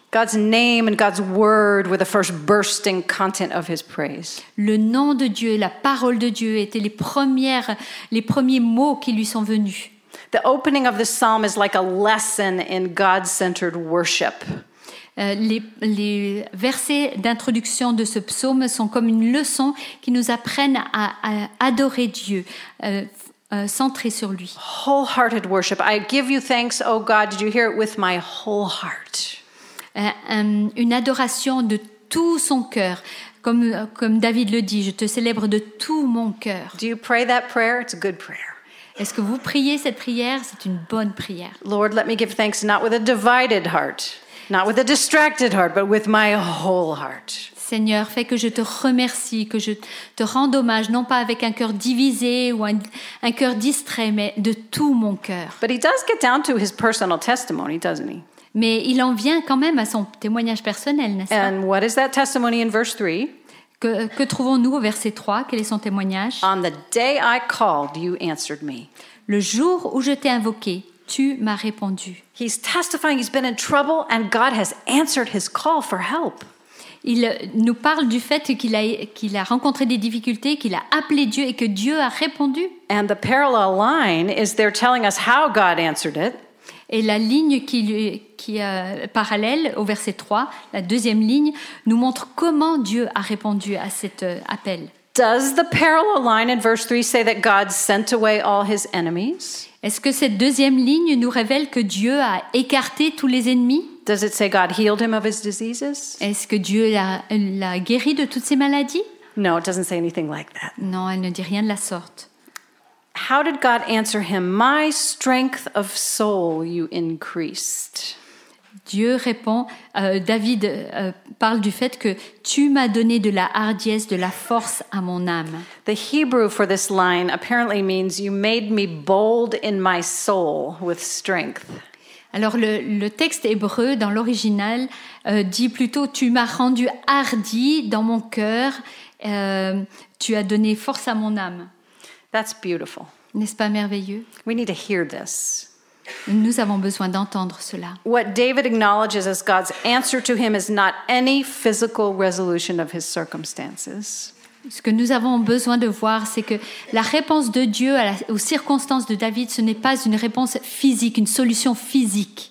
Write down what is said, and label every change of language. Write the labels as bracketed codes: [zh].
[en] God's name and God's word were the first bursting content of his praise. [fr] Le nom de Dieu, la parole de Dieu étaient les premiers mots qui lui sont venus. [en] The opening of the psalm is like a lesson in God-centered worship. [fr] Les versets d'introduction de ce psaume sont comme une leçon qui nous apprennent à adorer Dieu, centré sur lui. [en] Wholehearted worship. I give you thanks, O God. Did you hear it with my whole heart? [fr] Une adoration de tout son cœur, comme David le dit, je te célèbre de tout mon cœur. [en] Do you pray that prayer? It's a good prayer. [fr] Est-ce que vous priez cette prière? C'est une bonne prière. [en] Lord, let me give thanks not with a divided heart, not with a distracted heart, but with my whole heart. [fr] Seigneur, fais que je te remercie, que je te rende hommage, non pas avec un cœur divisé ou un cœur distrait, mais de tout mon cœur. [en] But he does get down to his personal testimony, doesn't he? [fr] Mais il en vient quand même à son témoignage personnel, n'est-ce pas? [en] And what is that testimony in verse 3? [fr] Que trouvons-nous au verset 3? Quel est son témoignage? [en] On the day I called, you answered me. [fr] Le jour où je t'ai invoqué, tu m'as répondu. [en] He's testifying he's been in trouble and God has answered his call for help. [fr] Il nous parle du fait qu'il a rencontré des difficultés, qu'il a appelé Dieu et que Dieu a répondu. [en] And the parallel line is they're telling us how God answered it. [fr] Et la ligne qui est parallèle au verset 3, la deuxième ligne, nous montre comment Dieu a répondu à cet appel. [en] Does the parallel line in verse 3 say that God sent away all his enemies? [fr] Est-ce que cette deuxième ligne nous révèle que Dieu a écarté tous les ennemis? [en] Does it say God healed him of his diseases? [fr] Est-ce que Dieu l'a guéri de toutes ses maladies? [en] No, it doesn't say anything like that. [fr] Non, elle ne dit rien de la sorte. [en] How did God answer him? My strength of soul you increased. [fr] Dieu répond, David parle du fait que tu m'as donné de la hardiesse, de la force à mon âme. [en] The Hebrew for this line apparently means you made me bold in my soul with strength. [fr] Alors le texte hébreu dans l'original dit plutôt tu m'as rendu hardi dans mon cœur, tu as donné force à mon âme. [en] That's beautiful. [fr] N'est-ce pas merveilleux? [en] We need to hear this. [fr] Nous avons besoin d'entendre cela. [en] What David acknowledges as God's answer to him is not any physical resolution of his circumstances. [fr] Ce que nous avons besoin de voir, c'est que la réponse de Dieu aux circonstances de David, ce n'est pas une réponse physique, une solution physique.